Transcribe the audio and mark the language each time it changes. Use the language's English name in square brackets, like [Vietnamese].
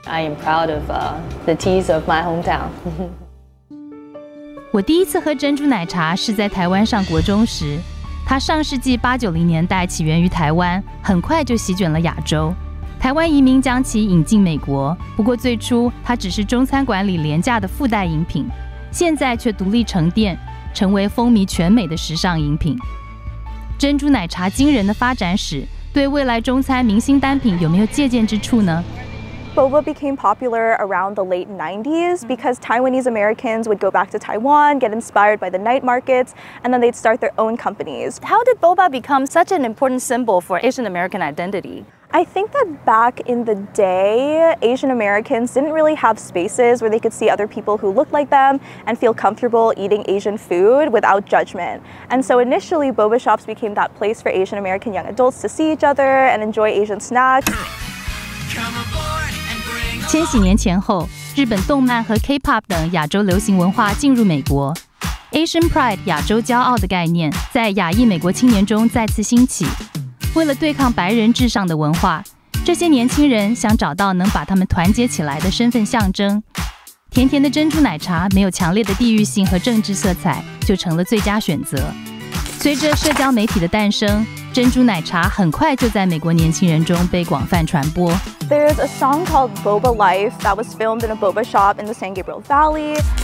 [English] I am proud of the teas of my hometown. [Chinese] 我第一次喝珍珠奶茶是在台湾上国中时，它上世纪八九零年代起源于台湾，很快就席卷了亚洲。台湾移民将其引进美国，不过最初它只是中餐馆里廉价的附带饮品，现在却独立成店，成为风靡全美的时尚饮品。珍珠奶茶惊人的发展史对未来中餐明星单品有没有借鉴之处呢？ [English] Boba became popular around the late 90s because Taiwanese Americans would go back to Taiwan, get inspired by the night markets, and then they'd start their own companies. How did boba become such an important symbol for Asian American identity? I think that back in the day, Asian Americans didn't really have spaces where they could see other people who looked like them and feel comfortable eating Asian food without judgment. And so initially, boba shops became that place for Asian American young adults to see each other and enjoy Asian snacks. Come aboard. [Chinese] 千禧年前后，日本动漫和 K-pop 等亚洲流行文化进入美国， Asian Pride 亚洲骄傲的概念在亚裔美国青年中再次兴起。为了对抗白人至上的文化，这些年轻人想找到能把他们团结起来的身份象征。甜甜的珍珠奶茶没有强烈的地域性和政治色彩，就成了最佳选择。随着社交媒体的诞生，珍珠奶茶很快就在美国年轻人中被广泛传播。 [English] There's a song called Boba Life that was filmed in a boba shop in the San Gabriel Valley.